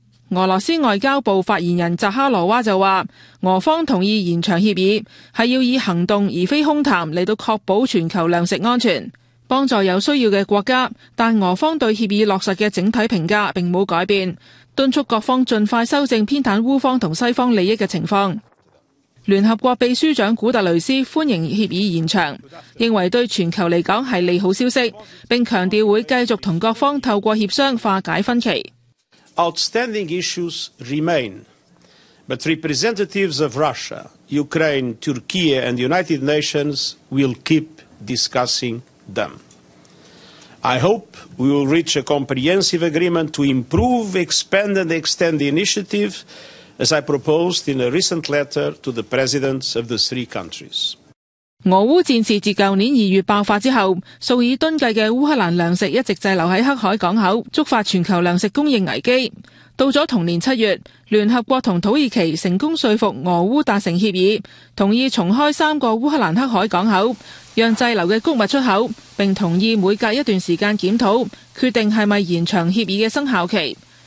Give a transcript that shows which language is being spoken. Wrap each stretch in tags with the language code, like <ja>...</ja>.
<zh>俄罗斯外交部发言人扎哈罗娃就说，俄方同意延长协议是要以行动而非空谈来到确保全球粮食安全，帮助有需要的国家，但俄方对协议落实的整体评价并没有改变，敦促各方尽快修正偏袒乌方和西方利益的情况。联合国秘书长古特雷斯欢迎协议延长，认为对全球来讲是利好消息，并强调会继续同各方透过协商化解分歧。</zh> <en>Outstanding issues remain, but representatives of Russia, Ukraine, Turkey and the United Nations will keep discussing them. I hope we will reach a comprehensive agreement to improve, expand and extend the initiative. As I proposed in a recent letter to the presidents of the three countries.</en> <zh>俄烏戰事自去年2月爆發之後，數以噸計的烏克蘭糧食一直滯留在黑海港口，觸發全球糧食供應危機。到了同年7月，聯合國和土耳其成功說服俄烏達成協議，同意重開三個烏克蘭黑海港口，讓滯留的穀物出口，並同意每隔一段時間檢討，決定是否延長協議的生效期。</zh>